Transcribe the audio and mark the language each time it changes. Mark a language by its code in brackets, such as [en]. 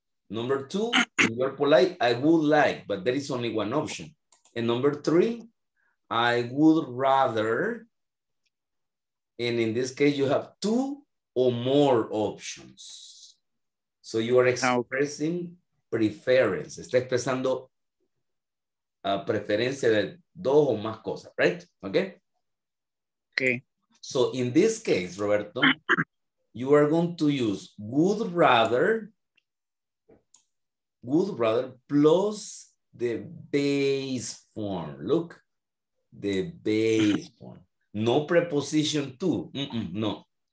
[en] Number two, if you're polite, I would like, but there is only one option. And number three, I would rather. And in this case, you have two or more options. So you are expressing preference. [es] Está expresando preferencia de dos o más cosas, right? [en] Okay? Okay. So in this case, Roberto, you are going to use would rather plus the base form. Look, the base form. No preposition to. No.